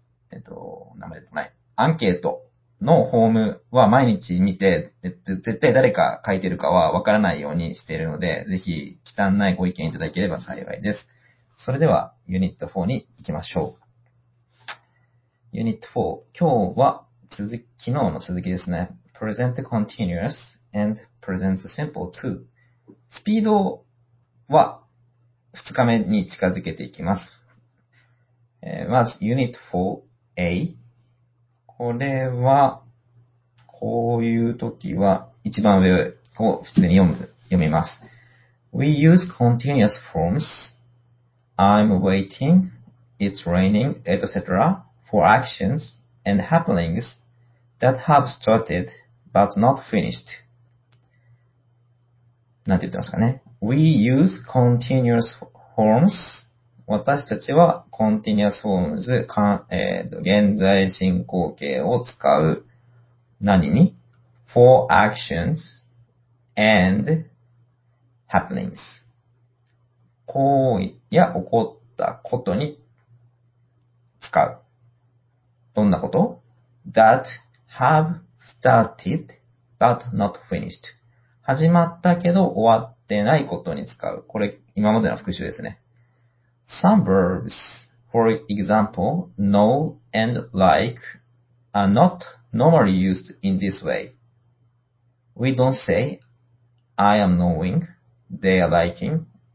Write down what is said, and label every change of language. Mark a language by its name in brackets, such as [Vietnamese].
[Japanese] 名前出てない。アンケートのフォームは毎日見て、絶対誰か書いてるかはわからないようにしているので、ぜひ忌憚ないご意見いただければ幸いです。それではユニット4に行きましょう。ユニット4、今日は昨日の続きですね。 [English] Present the continuous and present the simple too。 [Japanese] スピードは2日目に近づけていきます。まずユニット4A。これは、こういう時は一番上を普通に読みます。 [English] We use continuous forms. I'm waiting. It's raining, etc. For actions and happenings that have started but not finished. [Japanese] なんて言ってますかね。 [English] We use continuous forms. [Japanese] 私たちは continuous forms、現在進行形を使う。何に [English] ?For actions and happenings. [Japanese] 行為や起こったことに使う。どんなこと [English] ?that have started but not finished. [Japanese] 始まったけど終わってないことに使う。これ今までの復習ですね。 [English] Some verbs, for example, know and like are not normally used in this way. We don't say, I am knowing, they are liking.